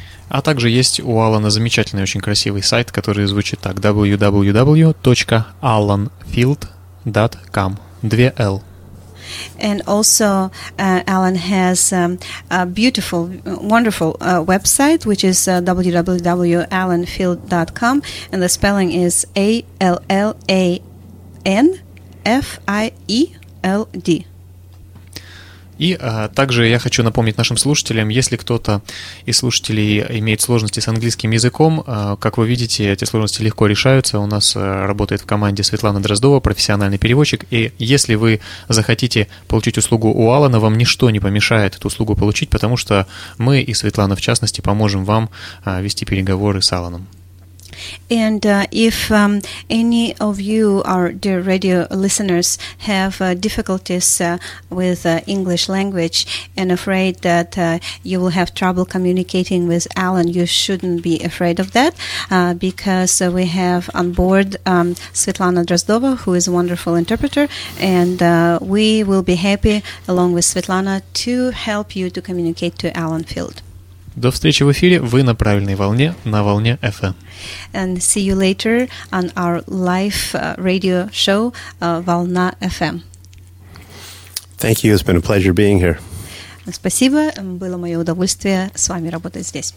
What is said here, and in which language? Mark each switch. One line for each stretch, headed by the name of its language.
Russian: А также есть у Алана замечательный, очень красивый сайт, который звучит так: www.alanfield.com.
English: 2L. And also, Alan has a beautiful, wonderful website, which is www.alanfield.com, and the spelling is A-L-L-A-N-F-I-E-L-D.
Russian: И также я хочу напомнить нашим слушателям, если кто-то из слушателей имеет сложности с английским языком, как вы видите, эти сложности легко решаются. У нас работает в команде Светлана Дроздова, профессиональный переводчик. И если вы захотите получить услугу у Алана, вам ничто не помешает эту услугу получить, потому что мы и Светлана, в частности, поможем вам вести переговоры с Аланом.
English: And if any of you, our dear radio listeners, have difficulties with English language and afraid that you will have trouble communicating with Alan, you shouldn't be afraid of that, because we have on board Svetlana Drozdova, who is a wonderful interpreter, and we will be happy, along with Svetlana, to help you to communicate to Alan Field.
Russian: До встречи в эфире. Вы на правильной волне, на волне FM.
English: And see you later on our live radio show Волна FM. Thank you. It's been a pleasure being here.
Russian: Спасибо. Было мое удовольствие с вами работать здесь.